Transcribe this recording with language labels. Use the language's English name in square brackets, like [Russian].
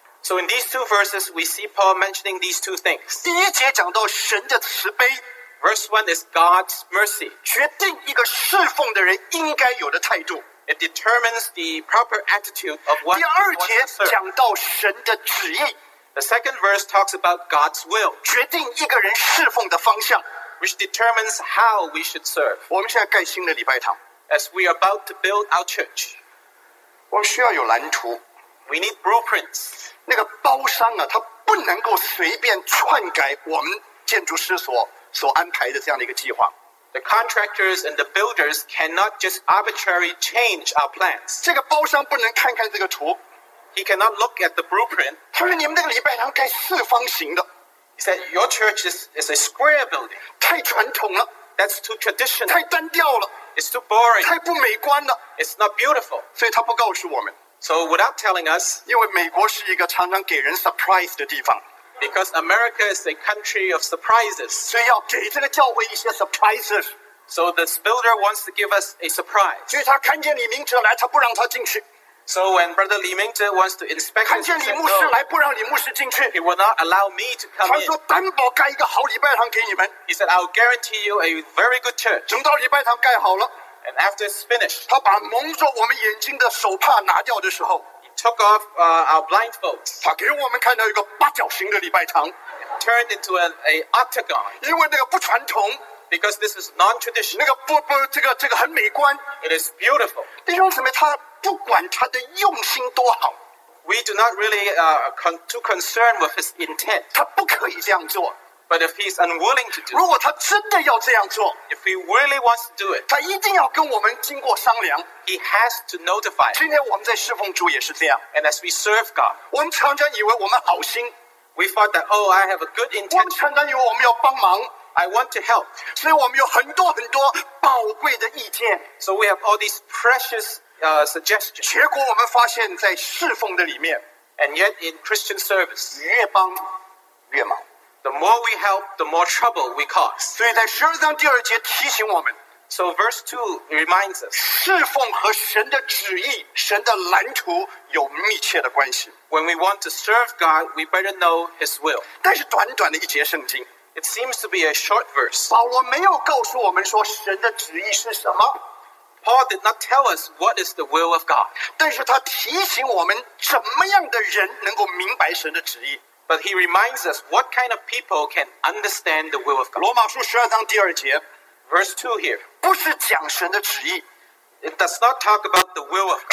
[English] so in these two verses, we see Paul mentioning these two things. [Chinese] 第一节讲到神的慈悲, [English] verse 1 is God's mercy. [Chinese] 决定一个侍奉的人应该有的态度, [English] it determines the proper attitude of one who wants to serve. [Chinese] 第二节讲到神的旨意, [English] the second verse talks about God's will. [Chinese] 决定一个人侍奉的方向, [English] which determines how we should serve. [Chinese] 我们现在盖新的礼拜堂, [English] as we are about to build our church, [Chinese] 我们需要有蓝图, [English] we need blueprints. [Chinese] 那个包商啊, 他不能够随便篡改我们建筑师所安排的这样的一个计划, [English] the contractors and the builders cannot just arbitrarily change our plans. [Chinese] 这个包商不能看看这个图, [English] he cannot look at the blueprint. [Chinese] 他说你们那个礼拜堂盖四方形的, [English] he said, your church is a square building. [Chinese] 太传统了, [English] that's too traditional. [Chinese] 太单调了, [English] it's too boring. [Chinese] 太不美观了, [English] it's not beautiful. [Chinese] 所以他不告诉我们, [English] so without telling us, [Chinese] 因为美国是一个常常给人 surprise 的地方, [English] because America is a country of surprises. [Chinese] 所以要给这个教会一些 surprises. [English] So this builder wants to give us a surprise. [Chinese] 所以他看见李明哲来，他不让他进去。 [English] So when Brother Li Mingzhe wants to inspect, [Chinese] 看见李牧师来不让李牧师进去, [English] he will not allow me to come in. [Chinese] 他说担保盖一个好礼拜堂给你们, [English] he said, I'll guarantee you a very good church. [Chinese] 等到礼拜堂盖好了, [English] and after it's finished, [Chinese] 他把蒙着我们眼睛的手帕拿掉的时候, [English] he took off our blindfolds. [Chinese] 他给我们看到一个八角形的礼拜堂, [English] turned into an octagon. [Chinese] 因为那个不传统, [English] because this is non-traditional. [Chinese] 那个不不这个这个很美观, [English] it is beautiful. [Chinese] 弟兄姊妹他, 不管他的用心多好, [English] we do not really too concerned with his intent. [Chinese] 他不可以这样做, [English] but if he's unwilling to do it, [Chinese] 如果他真的要这样做, [English] if he really wants to do it, [Chinese] 他一定要跟我们经过商量, [English] he has to notify. [Chinese] 今天我们在侍奉主也是这样, [English] and as we serve God, [Chinese] 我们常常以为我们好心, [English] we thought that, oh, I have a good intention. [Chinese] 我们常常以为我们要帮忙, [English] I want to help. [Chinese] 所以我们有很多很多宝贵的意见, [English] so we have all these precious suggestion. [Chinese] 结果我们发现在侍奉的里面, [English] and yet in Christian service, [Chinese] 越帮越忙, [English] the more we help, the more trouble we cause. [Chinese] 所以在12章第二节提醒我们, [English] so verse 2 reminds us, [Chinese] 侍奉和神的旨意, 神的蓝图有密切的关系, [English] when we want to serve God, we better know his will. [Chinese] 但是短短的一节圣经, [English] it seems to be a short verse. [Chinese] 保罗没有告诉我们说神的旨意是什么, [English] Paul did not tell us what is the will of God. [Chinese] 但是他提醒我们怎么样的人能够明白神的旨意, [English] but he reminds us what kind of people can understand the will of God. [Chinese] 罗马书12章第二节, [English] verse 2 here, [Chinese] 不是讲神的旨意, [English] it does not talk about the will of God.